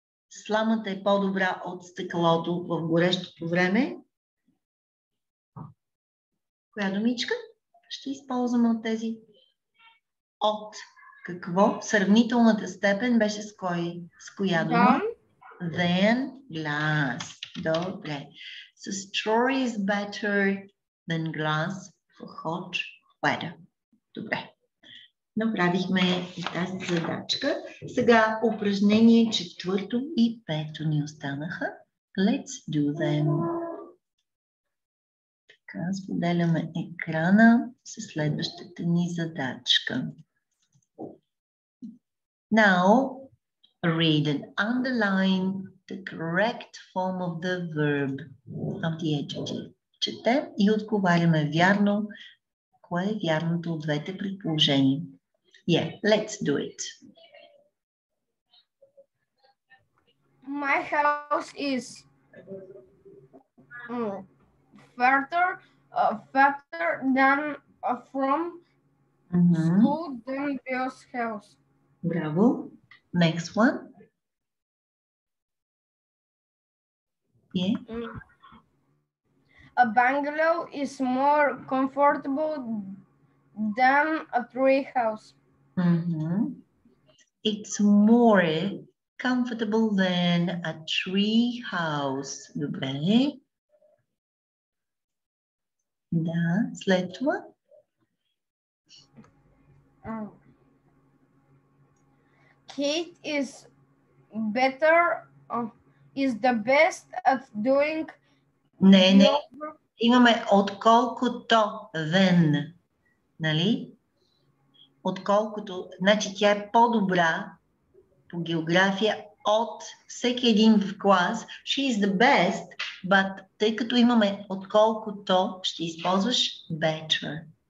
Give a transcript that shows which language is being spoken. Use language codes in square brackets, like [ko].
[bg] Сламата е по-добра от стъклото в горещото време. Коя думичка ще използваме от тези? От какво? Сравнителната степен беше с кой? С коя дума? [en] Than glass. [bg] Добре. [en] So straw is better than glass for hot weather. [bg] Добре. Направихме и тази задачка. Сега упражнение четвърто и пето ни останаха. [en] Let's do them. [bg] Така, споделяме екрана с следващата ни задачка. [en] Now, read and underline the correct form of the verb of the adjective. [bg] Четем и отговаряме вярно. Кое е вярното от двете предположения? [en] Yeah, let's do it. My house is further than from school than Bill's house. Bravo. Next one. Yeah. A bungalow is more comfortable than a tree house. It's more comfortable than a tree house. [bg] Добре. Да, след това. [en] Kate is better, is the best at doing... [bg] Не, не. Имаме отколкото then, нали? Отколкото, значи тя е по-добра по география от всеки един в клас. [en] She is the best, but [bg] тъй като имаме отколкото, ще използваш better.